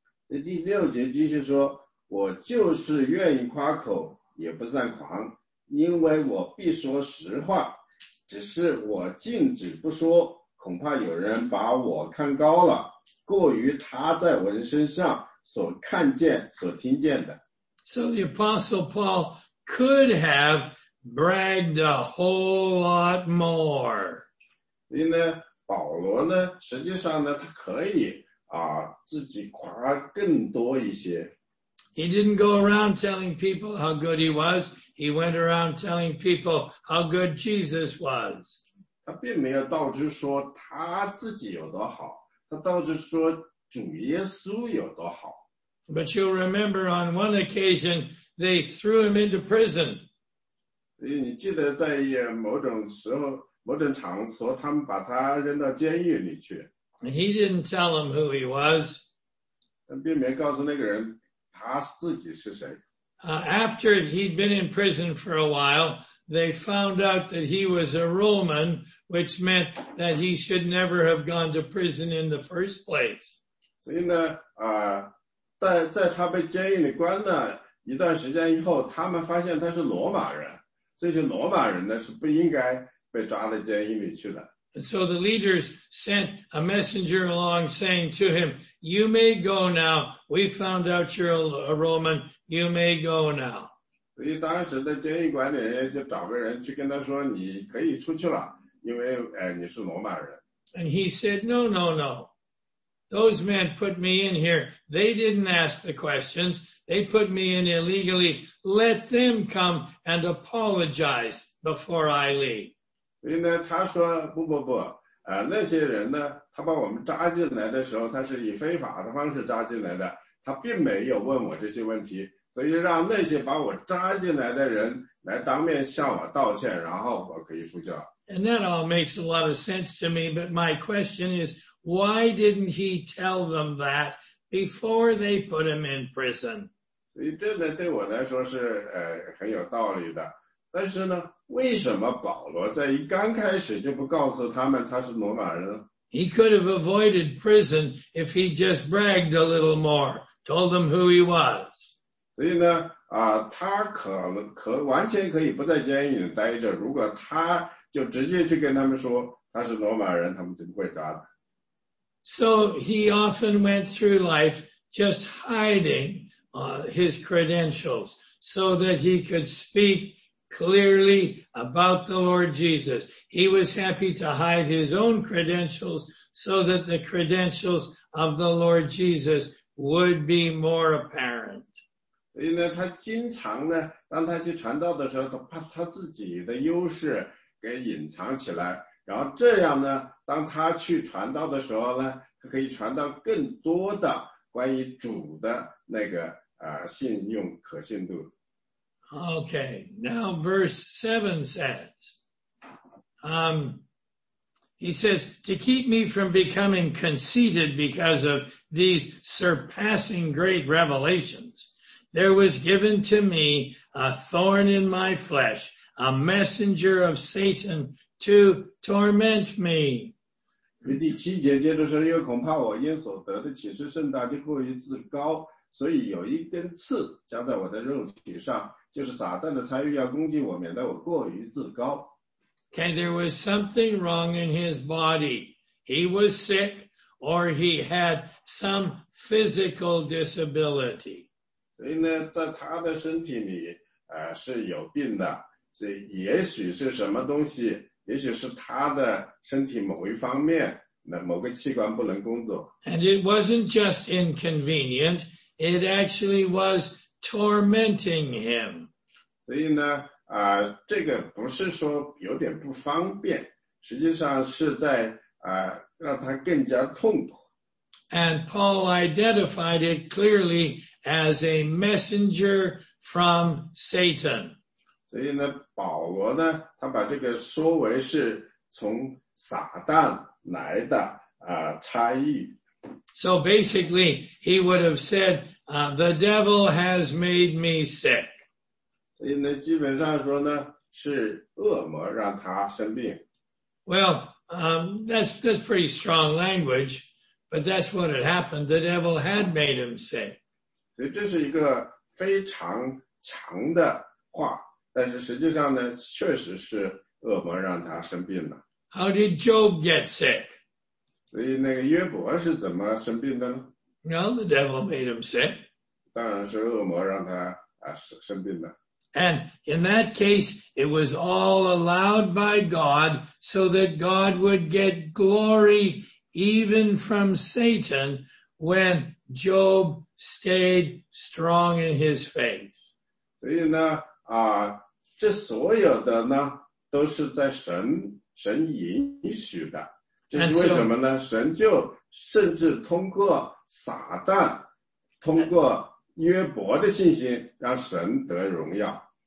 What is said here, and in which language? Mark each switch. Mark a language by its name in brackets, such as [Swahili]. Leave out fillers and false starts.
[Chinese] 第六节继续说，我就是愿意夸口，也不算狂，因为我必说实话，只是我禁止不说，恐怕有人把我看高了，过于他在我的身上所看见、所听见的。 [English] So the Apostle Paul could have bragged a whole lot more. [Chinese] 所以呢，保罗呢，实际上呢，他可以自己夸更多一些。 [English] He didn't go around telling people how good he was. He went around telling people how good Jesus was. [Chinese] 他并没有到处说他自己有多好，他到处说主耶稣有多好。 [English] But you'll remember on one occasion they threw him into prison. [Chinese] 你记得在某种时候、某种场所，他们把他扔到监狱里去。 [English] And he didn't tell him who he was. [Chinese] 并没告诉那个人他自己是谁。 [English] After he'd been in prison for a while, they found out that he was a Roman, which meant that he should never have gone to prison in the first place. [Chinese] 所以呢，在他被监狱里关了一段时间以后，他们发现他是罗马人，这些罗马人呢是不应该被抓到监狱里去的。 [English] And so the leaders sent a messenger along saying to him, you may go now. We found out you're a Roman. You may go now. [Chinese] 所以当时的监狱管理人就找个人去跟他说，你可以出去了，因为你是罗马人。 [English] And he said, no, no, no. Those men put me in here. They didn't ask the questions. They put me in illegally. Let them come and apologize before I leave. [Chinese] 所以呢，他说不，那些人呢，他把我们扎进来的时候，他是以非法的方式扎进来的，他并没有问我这些问题，所以让那些把我扎进来的人来当面向我道歉，然后我可以出去了。 [English] And that all makes a lot of sense to me, but my question is, why didn't he tell them that before they put him in prison? [Chinese] 所以这个对我来说是很有道理的。但是呢，为什么保罗在一刚开始就不告诉他们他是罗马人呢？ [English] He could have avoided prison if he just bragged a little more, told them who he was. [Chinese] 所以呢，他可完全可以不在监狱里待着，如果他就直接去跟他们说他是罗马人，他们就不会抓他。 [English] So he often went through life just hiding his credentials so that he could speak clearly about the Lord Jesus. He was happy to hide his own credentials so that the credentials of the Lord Jesus would be more apparent. [Chinese] 所以呢，他经常呢，当他去传道的时候，他把他自己的优势给隐藏起来，然后这样呢，当他去传道的时候呢，他可以传道更多的关于主的那个信用可信度。 [English] Okay, now verse 7 says, he says, to keep me from becoming conceited because of these surpassing great revelations, there was given to me a thorn in my flesh, a messenger of Satan to torment me. [Chinese] 第七节接着说，又恐怕我因所得的启示甚大，就过于自高，所以有一根刺加在我的肉体上，就是撒旦的差役要攻击我，免得我过于自高。 [English] Okay, there was something wrong in his body. He was sick, or he had some physical disability. [Chinese] 所以呢，在他的身体里，是有病的。这也许是什么东西，也许是他的身体某一方面，那某个器官不能工作。 [English] And it wasn't just inconvenient; it actually was tormenting him. [Chinese] 所以呢。这个不是说有点不方便，实际上是在让他更加痛苦。 [English] And Paul identified it clearly as a messenger from Satan. [Chinese] 所以呢，保罗呢，他把这个说为是从撒旦来的差役。 [English] So basically, he would have said, the devil has made me sick. [Chinese] 所以呢，基本上说呢，是恶魔让他生病。 [English] Well, that's pretty strong language, but that's what had happened. The devil had made him sick. [Chinese] 所以这是一个非常强的话，但是实际上呢，确实是恶魔让他生病了。 [English] How did Job get sick? [Chinese] 所以那个约伯是怎么生病的呢？ [English] Well, the devil made him sick. [Chinese] 当然是恶魔让他生病的。 [English] And in that case, it was all allowed by God so that God would get glory even from Satan when Job stayed strong in his faith. [Chinese] 所以呢，这所有的呢，都是在神允许的。这是为什么呢？神就甚至通过撒旦，通过约伯的信心，让神得荣耀。